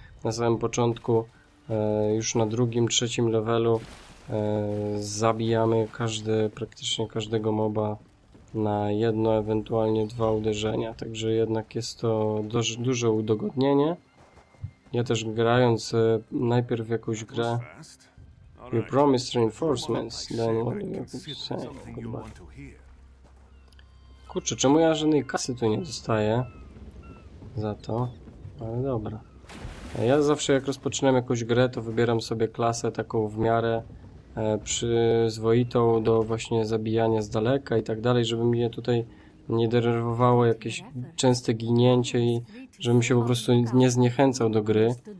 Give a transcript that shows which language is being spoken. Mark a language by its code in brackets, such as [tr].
[pl] Na samym początku, już na drugim, trzecim levelu, zabijamy praktycznie każdego moba na jedno, ewentualnie dwa uderzenia. Także jednak jest to duże udogodnienie. Ja też grając najpierw jakąś grę... [en] You promised reinforcements, then what do you say? [pl] Kurczę, czemu ja żadnej kasy tu nie dostaję za to? Ale dobra. Ja zawsze jak rozpoczynam jakąś grę, to wybieram sobie klasę taką w miarę przyzwoitą do właśnie zabijania z daleka i tak dalej, żeby mnie tutaj nie denerwowało jakieś częste ginięcie i żebym się po prostu nie zniechęcał do gry.